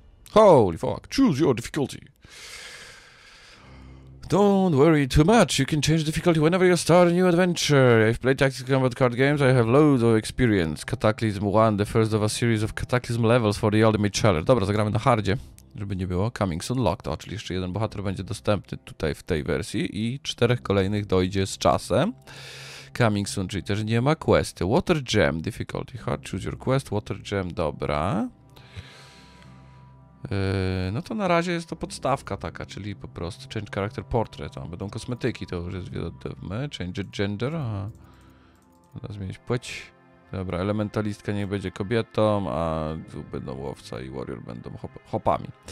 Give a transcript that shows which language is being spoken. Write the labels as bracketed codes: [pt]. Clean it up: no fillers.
[en] Holy fuck, choose your difficulty. Don't worry too much, you can change difficulty whenever you start a new adventure. I've played tactical combat card games, I have loads of experience. Cataclysm 1, the first of a series of Cataclysm levels for the Ultimate Challenge. [pl] Dobra, zagramy na hardzie, żeby nie było. [en] Coming soon, locked. [pl] O, czyli jeszcze jeden bohater będzie dostępny tutaj w tej wersji i czterech kolejnych dojdzie z czasem. [en] Coming soon, [pl] czyli też nie ma questy. [en] Water Gem, difficulty hard, choose your quest. [pl] Water Gem, dobra. No to na razie jest to podstawka taka, czyli po prostu [en] change character portrait, [pl] a będą kosmetyki, to już jest wiadomo, [en] change gender, [pl] aha, zmienić płeć, dobra, elementalistka niech będzie kobietą, a tu będą łowca i warrior będą hopami.